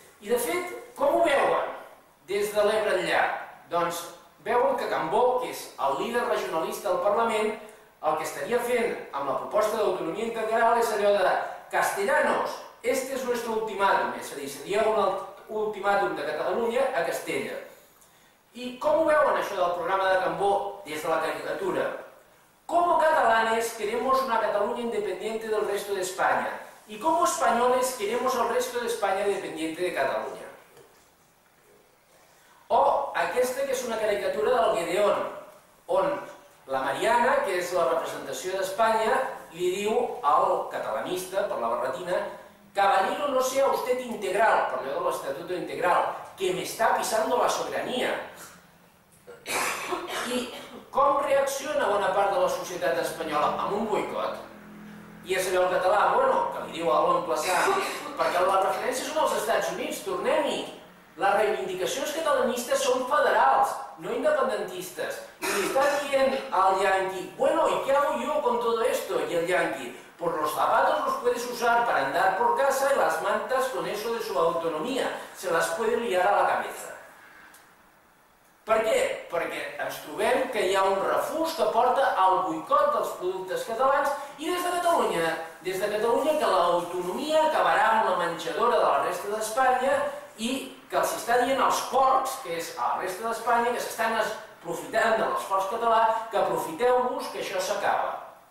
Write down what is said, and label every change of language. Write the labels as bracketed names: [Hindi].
[Catalan] I de fet, com ho veuen des de l'Ebre enllà? Doncs veuen que Cambó, que és el líder regionalista del Parlament, el que estaria fent amb la proposta d'autonomia integral és allò de [Spanish] Castellanos, este es nuestro ultimátum, [Catalan] és a dir, seria un ultimàtum de Catalunya a Castella. I com ho veuen això del programa de Cambó des de la caricatura? [Spanish] Como catalanes queremos una Cataluña independiente del resto de España y como españoles queremos el resto de España dependiente de Cataluña. [Catalan] O aquesta que és una caricatura del Gedeón, on la Mariana, que és la representació d'Espanya, li diu al catalanista, per la barretina, [Spanish] caballero no sea usted integral, [Catalan] per allò de l'estatuto integral, [Spanish] que me está pisando la soberanía. [Catalan] I com reacciona bona part de la societat espanyola? Amb un boicot. I és allò el català, bueno, que li diu a l'oncle Sam, perquè la referència són els Estats Units, tornem-hi. Les reivindicacions catalanistes són federals, no independentistes. I li està dient al yanqui, [Spanish] bueno, ¿y qué hago yo con todo esto? [Catalan] I el [Spanish] yanqui, pues los zapatos los puedes usar para andar por casa y las mantas con eso de su autonomía. Se las puede liar a la cabeza. [Catalan] Per què? Perquè ens trobem que hi ha un refús que porta al boicot dels productes catalans i des de Catalunya que l'autonomia acabarà amb la menjadora de la resta d'Espanya i que els està dient als porcs, que és a la resta d'Espanya, que s'estan aprofitant de l'esforç català, que aprofiteu-vos que això s'acaba.